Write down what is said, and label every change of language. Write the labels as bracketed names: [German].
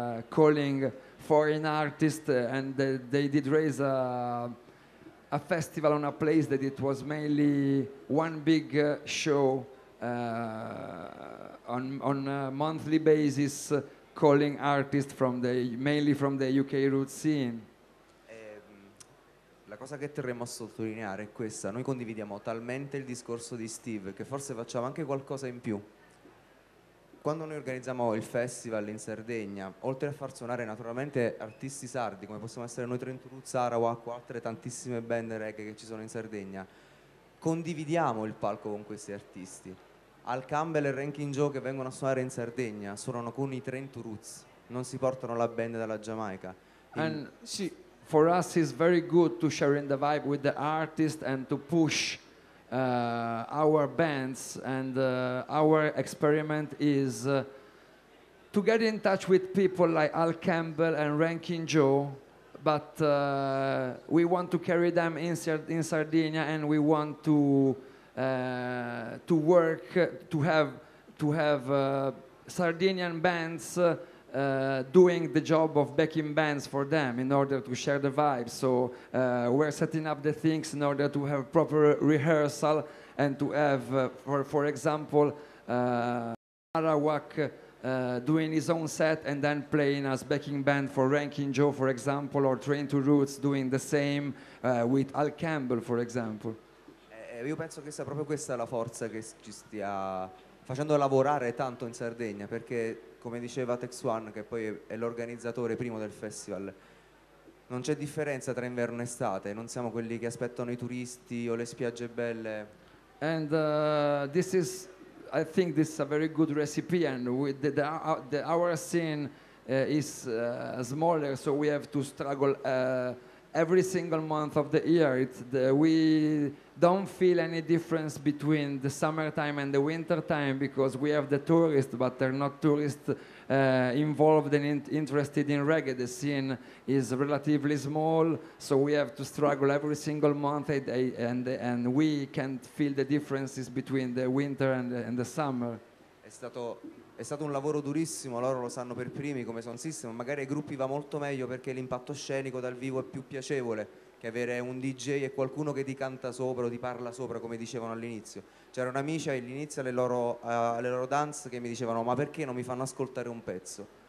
[English] calling foreign artists, and they did raise a festival on a place that it was mainly one big show on a monthly basis, calling artists mainly from the UK root scene. [Italian] La cosa che terremo a sottolineare è questa: noi condividiamo talmente il discorso di Steve che forse facciamo anche qualcosa in più. Quando noi organizziamo il festival in Sardegna, oltre a far suonare naturalmente artisti sardi, come possiamo essere noi Trento Roots, Arawak o altre tantissime band reggae che ci sono in Sardegna, condividiamo il palco con questi artisti. Al Campbell e Ranking Joe, che vengono a suonare in Sardegna, suonano con i Trento Roots, non si portano la band dalla Giamaica. [English] And sì, for us is very good to share in the vibe with the artist and to push our bands, and our experiment is to get in touch with people like Al Campbell and Ranking Joe, but we want to carry them in Sardegna, and we want to work to have Sardinian bands doing the job of backing bands for them in order to share the vibe. So we're setting up the things in order to have proper rehearsal and to have for example Arawak doing his own set and then playing as backing band for Ranking Joe, for example, or Trento Roots doing the same with Al Campbell, for example. [Italian] Io penso che sia proprio questa la forza che ci stia facendo lavorare tanto in Sardegna, perché come diceva Tex One, che poi è l'organizzatore primo del festival, non c'è differenza tra inverno e estate, non siamo quelli che aspettano i turisti o le spiagge belle. [English] And this is, I think this is a very good recipe, and with the our scene is smaller, so we have to struggle every single month of the year. We don't feel any difference between the summertime and the wintertime because we have the tourists, but they're not tourists involved and interested in reggae. The scene is relatively small, so we have to struggle every single month, and we can't feel the differences between the winter and the summer. [Italian] È stato un lavoro durissimo, loro lo sanno per primi come sono system, magari ai gruppi va molto meglio perché l'impatto scenico dal vivo è più piacevole che avere un DJ e qualcuno che ti canta sopra o ti parla sopra, come dicevano all'inizio. C'erano amici all'inizio alle loro dance che mi dicevano: ma perché non mi fanno ascoltare un pezzo?